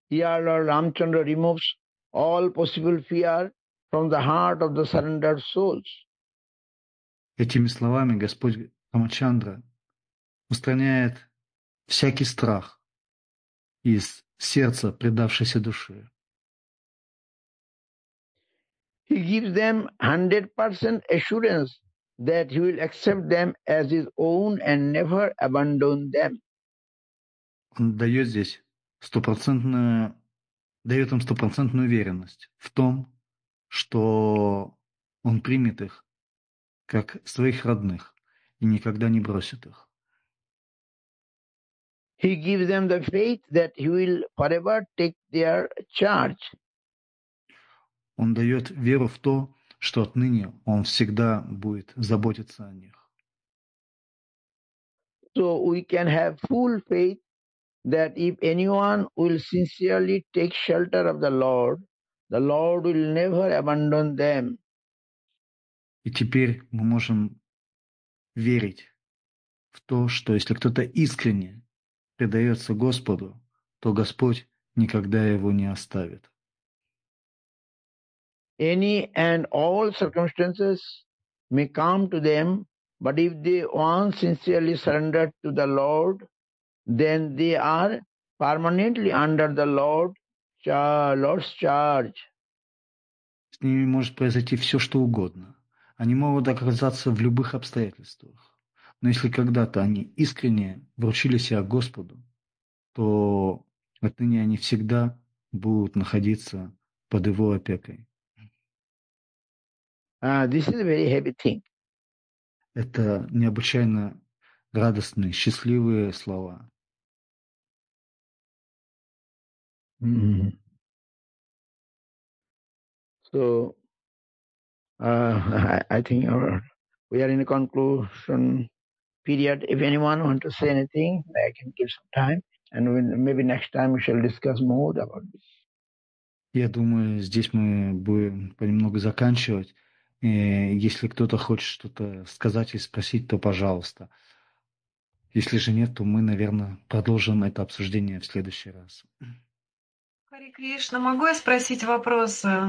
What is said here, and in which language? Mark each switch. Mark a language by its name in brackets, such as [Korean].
[English] Yeah, Lord Ramchandra removes all possible fear from the heart of the surrendered souls. [Russian] Этими словами Господь Рамачандра устраняет всякий страх из сердца предавшейся души. [English] He gives them 100% assurance that he will accept them as his own and never abandon them. [Russian] Он дает здесь стопроцентную уверенность в том, что он примет их как своих родных и никогда не бросит их. [English] He gives them the faith that he will forever take their charge. [Russian] Он дает веру в то, что отныне он всегда будет заботиться о них. [English] So we can have full faith that if anyone will sincerely take shelter of the Lord will never abandon them. [Russian] И теперь мы можем верить в то, что если кто-то искренне предается Господу, то Господь никогда его не оставит. [English] Any and all circumstances may come to them, but if they once sincerely surrender to the Lord, then they are permanently under the Lord's charge. [Russian] С ними может произойти все, что угодно. Они могут оказаться в любых обстоятельствах. Но если когда-то они искренне вручили себя Господу, то отныне они всегда будут находиться под его опекой. [English] This is a very happy thing. [Russian] Это необычайно радостные, счастливые слова. [English] So, I think we are in a conclusion period. If anyone wants to say anything, I can give some time. And maybe next time we shall discuss more about this. [Russian] Я думаю, здесь мы будем понемногу заканчивать. И если кто-то хочет что-то сказать и спросить, то пожалуйста. Если же нет, то мы, наверное, продолжим это обсуждение в следующий раз. Хари Кришна, могу я спросить вопрос?